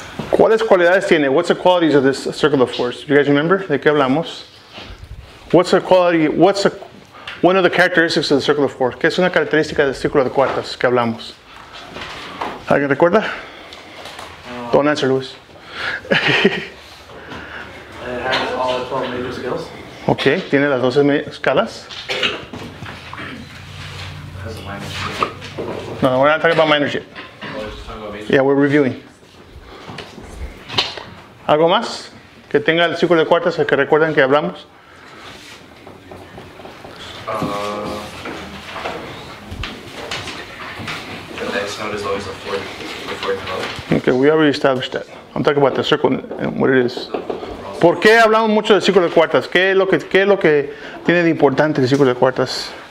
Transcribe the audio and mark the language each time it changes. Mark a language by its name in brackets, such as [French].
[Spanish] ¿Cuáles cualidades tiene? [English] What's the qualities of this circle of fourths? Do you guys remember? [Spanish] ¿De qué hablamos? [English] What's the quality, what's the, one of the characteristics of the circle of fourths? [Spanish] ¿Qué es una característica del círculo de cuartas que hablamos? ¿Alguien recuerda? No. [English] Don't answer, Luis. It has all the 12 major scales. [Spanish] Ok, tiene las 12 escalas. [English] No, we're not talking about minors yet. Yeah, we're reviewing. [Spanish] ¿Algo más que tenga el círculo de cuartas que recuerden que hablamos? [English] The next note is always a fourth note. Okay, we already established that. I'm talking about the circle and what it is. [Spanish] ¿Por qué hablamos mucho del círculo de cuartas? ¿Qué es lo que tiene de importante el círculo de cuartas?